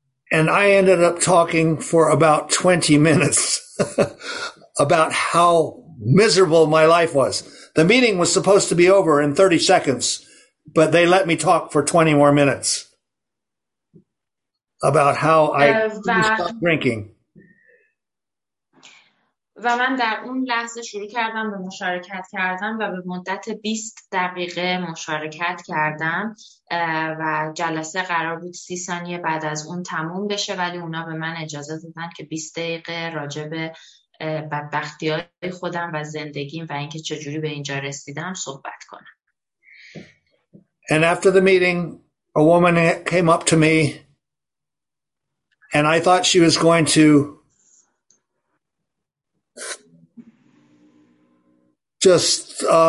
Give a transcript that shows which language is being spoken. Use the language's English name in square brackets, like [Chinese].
[English] And I ended up talking for about 20 minutes about how miserable my life was. The meeting was supposed to be over in 30 seconds, but they let me talk for 20 more minutes about how I stopped drinking. [Persian] و من در اون لحظه شروع کردم به مشارکت کردم و به مدت 20 دقیقه مشارکت کردم و جلسه قرار بود 30 ثانیه بعد از اون تموم بشه، ولی اونا به من اجازه دادن که 20 دقیقه راجع به بدبختی‌های خودم و زندگیم و اینکه چجوری به اینجا رسیدم صحبت کنم. [English] And after the meeting, a woman came up to me and I thought she was going to just